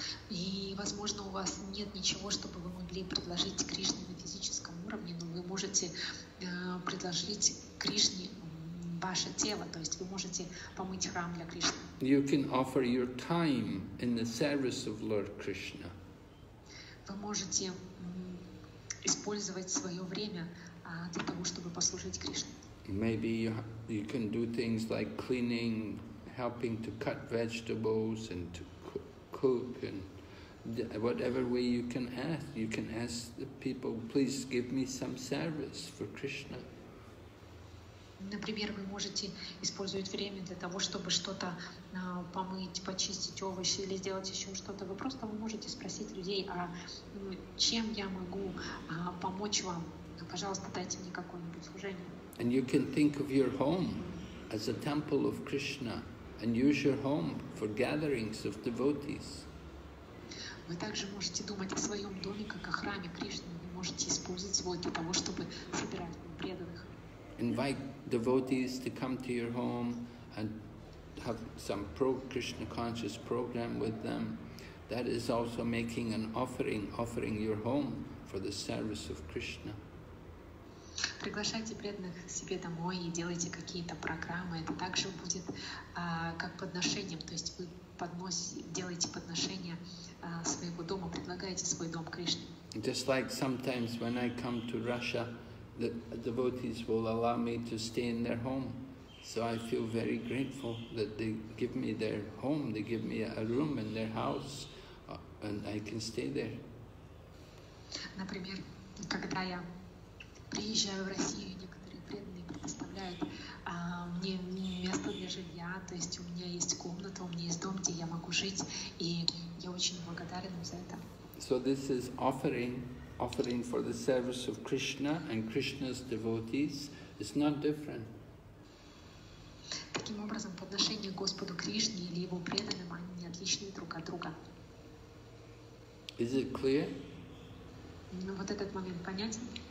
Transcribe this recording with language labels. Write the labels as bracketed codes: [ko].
[ru] И, возможно, у вас нет ничего, чтобы вы могли предложить Кришне на физическом уровне, но вы можете предложить Кришне ваше тело, то есть вы можете помыть храм для Кришны. [en] You can offer your time in the service of Lord Krishna. [ru] Вы можете использовать свое время для того, чтобы послужить Кришне. [en] Maybe you can do things like cleaning, helping to cut vegetables and to cook and whatever way you can ask the people, please give me some service for Krishna. [ru] Например, вы можете использовать время для того, чтобы что-то помыть, почистить овощи или сделать еще что-то. Вы просто можете спросить людей, а чем я могу помочь вам? Пожалуйста, дайте мне какое-нибудь служение. [en] And you can think of your home as a temple of Krishna and use your home for gatherings of devotees. [ru] Вы также можете думать о своем доме как о храме Кришны. Вы можете использовать его для того, чтобы собирать преданных. [en] Invite devotees to come to your home and have some pro-Krishna conscious program with them. That is also making an offering your home for the service of Krishna. [ru] Приглашайте преданных к себе домой и делайте какие-то программы. Это также будет как подношением, то есть вы делаете подношение своего дома, предлагаете свой дом Кришне. [en] Just like sometimes when I come to Russia, the devotees will allow me to stay in their home. So I feel very grateful that they give me their home, they give me a room in their house, and I can stay there. [ru] Например, когда я приезжаю в Россию, некоторые преданные предоставляет мне место для жилья, то есть у меня есть комната, у меня есть дом, где я могу жить, и я очень благодарен за это. [en] So this is offering for the service of Krishna and Krishna's devotees. It's not different. [ru] Таким образом, подношение Господу Кришне или его преданным, они не отличны друг от друга. [en] Is it clear? [ru] Ну, вот этот момент понятен?